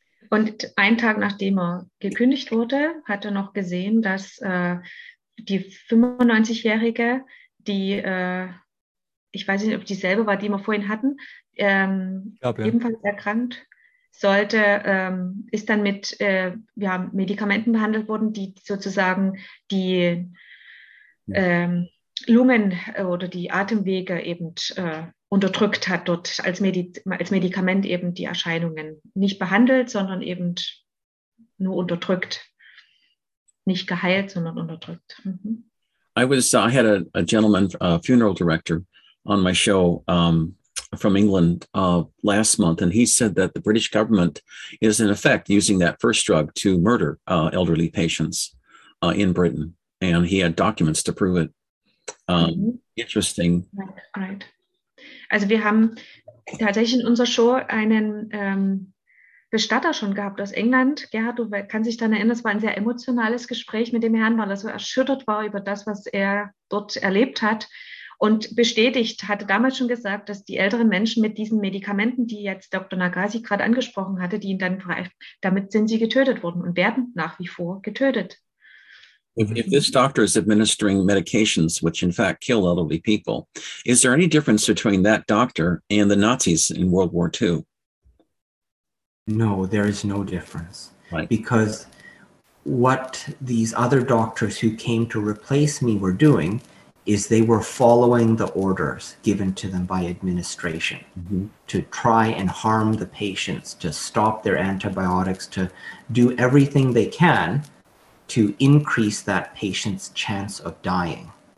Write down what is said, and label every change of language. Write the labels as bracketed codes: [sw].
[de] Und einen Tag, nachdem er gekündigt wurde, hat er noch gesehen, dass die 95-Jährige, die, ich weiß nicht, ob dieselbe war, die wir vorhin hatten, ebenfalls erkrankt sollte, ist dann mit Medikamenten behandelt worden, die sozusagen die Lungen oder die Atemwege eben unterdrückt hat, dort als Medikament eben die Erscheinungen nicht behandelt, sondern eben nur unterdrückt, nicht geheilt, sondern unterdrückt. Mhm. [en] I had a gentleman, a funeral director on my show, from England last month, and he said that the British government is in effect using that first drug to murder elderly patients in Britain, and he had documents to prove it. Interesting. Right. [de] Also wir haben tatsächlich in unserer Show einen Bestatter schon gehabt aus England. Gerhard, du kannst dich daran erinnern, es war ein sehr emotionales Gespräch mit dem Herrn, weil er so erschüttert war über das, was er dort erlebt hat. Und bestätigt, hatte damals schon gesagt, dass die älteren Menschen mit diesen Medikamenten, die jetzt Dr. Nagasi gerade angesprochen hatte, die ihn dann frei, damit sind sie getötet worden und werden nach wie vor getötet. [en] If this doctor is administering medications, which in fact kill elderly people, is there any difference between that doctor and the Nazis in World War II? No, there is no difference. Right. Because what these other doctors who came to replace me were doing is they were following the orders given to them by administration to try and harm the patients, to stop their antibiotics, to do everything they can to increase that patient's chance of dying.